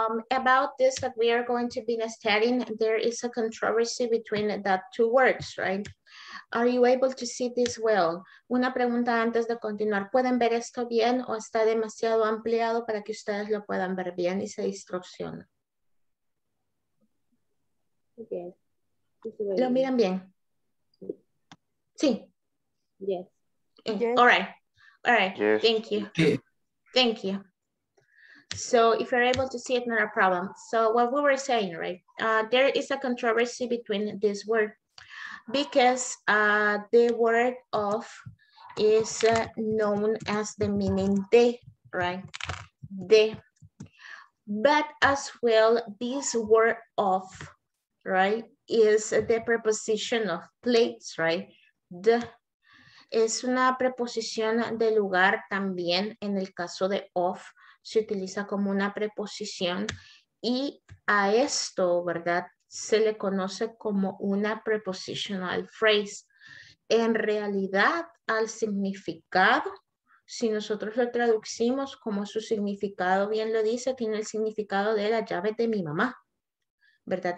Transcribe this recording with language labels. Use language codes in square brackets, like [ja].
[en] About this that we are going to be studying, there is a controversy between the two words, right? Are you able to see this well? [es] Una pregunta antes de continuar. ¿Pueden ver esto bien o está demasiado ampliado para que ustedes lo puedan ver bien y se distorsiona? Bien. ¿Lo miran bien? Sí. [en] Yes. All right. All right. Yes. Thank you. Yes. Thank you. So if you're able to see it, not a problem. So what we were saying, right? There is a controversy between this word because the word of is known as the meaning de, right? De. But as well, this word of, right, is the preposition of place, right? [es] De. Es una preposición de lugar también en el caso de of. Se utiliza como una preposición y a esto, ¿verdad? Se le conoce como una prepositional phrase. En realidad, al significado, si nosotros lo traducimos como su significado, bien lo dice, tiene el significado de la llave de mi mamá, ¿verdad?